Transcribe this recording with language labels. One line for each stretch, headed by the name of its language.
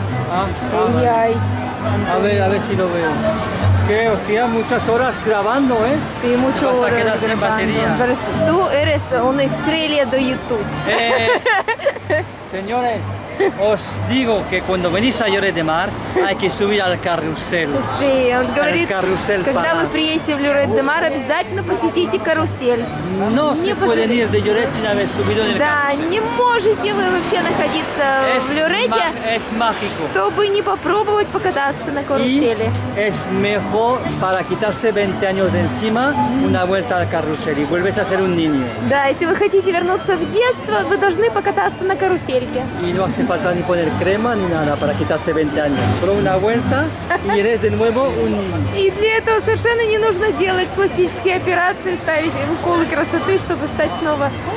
Spanish: A ver si lo veo. Que hostia, muchas horas grabando, ¿eh? Sí, mucho horas. Vas a quedar sin batería. Pero tú eres una estrella de YouTube. Señores, os digo que cuando venís a Lloret de Mar hay que subir al carrusel. Sí,
Russian: он говорит,
Spanish: carrusel
Russian: когда вы приедете в Lloret de Mar, обязательно посетите карусель.
Spanish: No se puede ir de Lloret sin haber subido en el carrusel.
Russian: Да, не можете вы вообще находиться в Lloret-е.
Spanish: Es mágico.
Russian: Чтобы не попробовать покататься на карусели.
Spanish: Es mejor para quitarse 20 años de encima una vuelta al carrusel y vuelves a ser un niño.
Russian: Да, если вы хотите вернуться в детство, вы должны покататься на карусельке.
Spanish: No hace falta ni poner crema ni nada para quitarse 20 años. Pero una vuelta y eres de nuevo un niño. Y
Russian: для этого совершенно не нужно делать пластические операции, ставить уколы красоты, чтобы стать снова.